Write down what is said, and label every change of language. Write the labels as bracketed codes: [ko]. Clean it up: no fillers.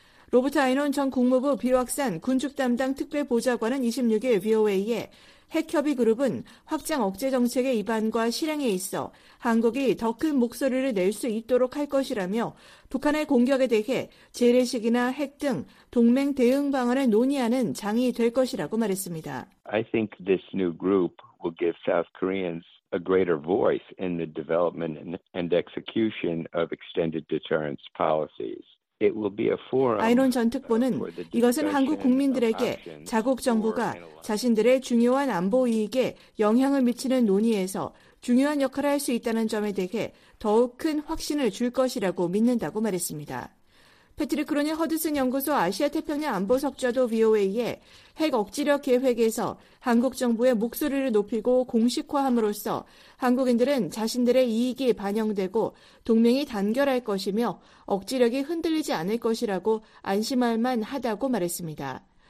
[ko] 로버트 아이논 전 국무부 비확산 군축 담당 특별보좌관은 26일 VOA에 핵협의 그룹은 확장 억제 정책의 입안과 실행에 있어 한국이 더 큰 목소리를 낼 수 있도록 할 것이라며 북한의 공격에 대해 재래식이나 핵 등 동맹 대응 방안을 논의하는 장이 될 것이라고 말했습니다. [en] I think this new group will give South Koreans a greater voice in the development and execution of extended deterrence policies. [ko] 아이논 전 특보는 이것은 한국 국민들에게 자국 정부가 자신들의 중요한 안보 이익에 영향을 미치는 논의에서 중요한 역할을 할 수 있다는 점에 대해 더욱 큰 확신을 줄 것이라고 믿는다고 말했습니다. 패트릭 크로니 허드슨 연구소 아시아태평양 안보석좌도 VOA에 핵 억지력 계획에서 한국 정부의 목소리를 높이고 공식화함으로써 한국인들은 자신들의 이익이 반영되고 동맹이 단결할 것이며 억지력이 흔들리지 않을 것이라고 안심할 만하다고 말했습니다.